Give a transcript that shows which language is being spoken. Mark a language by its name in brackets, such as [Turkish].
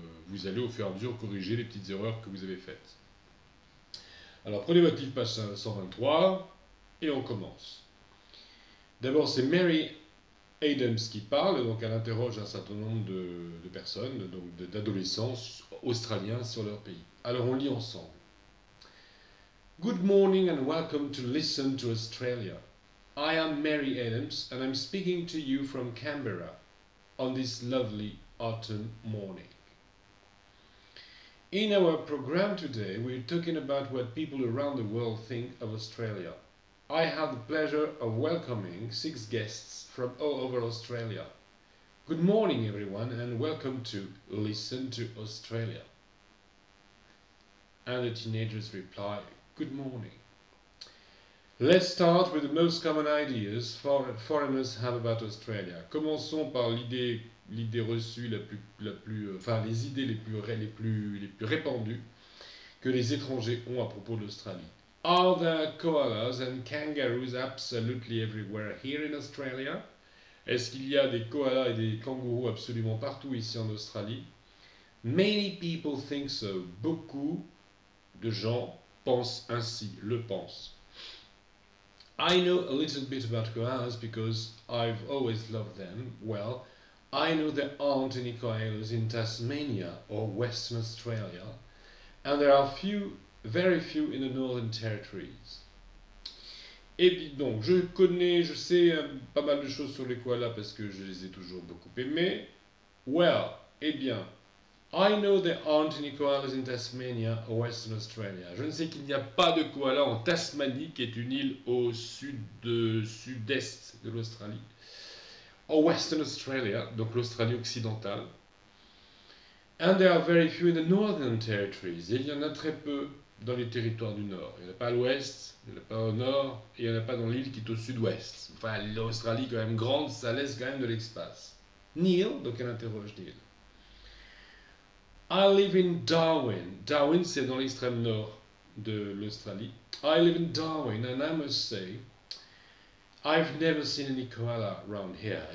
[French] Vous allez au fur et à mesure corriger les petites erreurs que vous avez faites. Alors prenez votre livre, page 123, et on commence. D'abord, c'est Mary Adams qui parle, donc elle interroge un certain nombre de personnes, donc d'adolescents australiens sur leur pays. Alors on lit ensemble. [English] Good morning and welcome to Listen to Australia. I am Mary Adams and I'm speaking to you from Canberra on this lovely autumn morning. In our program today, we're talking about what people around the world think of Australia. I have the pleasure of welcoming six guests from all over Australia. Good morning, everyone, and welcome to Listen to Australia. And the teenagers reply, good morning. Let's start with the most common ideas foreigners have about Australia. [French] Commençons par l'idée reçue les idées les plus répandues que les étrangers ont à propos de l'Australie. [English] Are there koalas and kangaroos absolutely everywhere here in Australia? [French] Est-ce qu'il y a des koalas et des kangourous absolument partout ici en Australie? [English] Many people think so. [French] Beaucoup de gens pensent ainsi, le pensent. [English] I know a little bit about koalas because I've always loved them. Well, I know there aren't any koalas in Tasmania or Western Australia, and there are very few in the Northern Territories. [French] Et puis donc, je sais pas mal de choses sur les koalas parce que je les ai toujours beaucoup aimés. [English] Well, [French] eh bien, [English] I know there aren't any koalas in Tasmania or Western Australia. [French] Je ne sais qu'il n'y a pas de koalas en Tasmanie, qui est une île au sud-est de l'Australie. [English] Or Western Australia, [French] donc l'Australie occidentale. [English] And there are very few in the Northern Territories. [French] Et il y en a très peu dans les territoires du Nord. Il n'y en a pas à l'ouest, il n'y en a pas au nord, et il n'y en a pas dans l'île qui est au sud-ouest. Enfin, l'Australie est quand même grande, ça laisse quand même de l'espace. [English] Neil, [French] donc elle interroge Neil. [English] I live in Darwin. [French] Darwin, c'est dans l'extrême nord de l'Australie. [English] I live in Darwin and I must say, I've never seen any koala around here.